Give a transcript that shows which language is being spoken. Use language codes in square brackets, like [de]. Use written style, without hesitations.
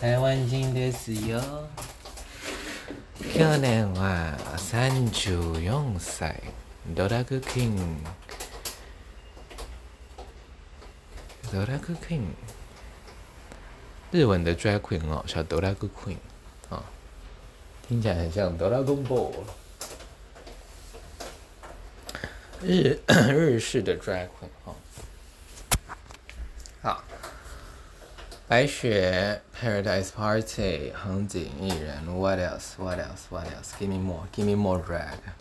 [ja] 台湾人ですよ。去年は34歳、ドラッグクイーン。 [zh] ドラッグクイーン。日文的 drag queen 哦，叫ドラッグクイーン。听起来很像 Dragon Ball， 日式的 drag queen 哈。好，白雪 [en] Paradise Party， 横井艺人 ，What else？What else？What else？Give me more，Give me more drag。